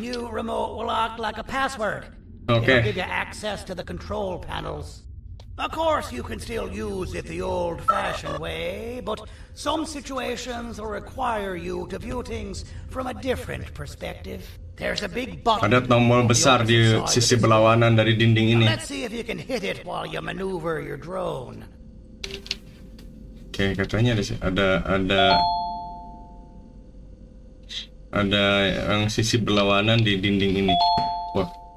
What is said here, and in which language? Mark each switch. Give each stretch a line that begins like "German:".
English: This new remote will act like a password. Okay. It'll give you access to the control panels. Of course, you can still use it the old-fashioned way, but some situations will require you to view things from a different perspective. There's a big button.
Indonesian: Ada tombol besar di sisi berlawanan dari dinding ini.
English: Let's see if you can hit it while you maneuver your drone.
Indonesian: Okay, katanya ada. Ada yang sisi berlawanan di dinding ini. Wah.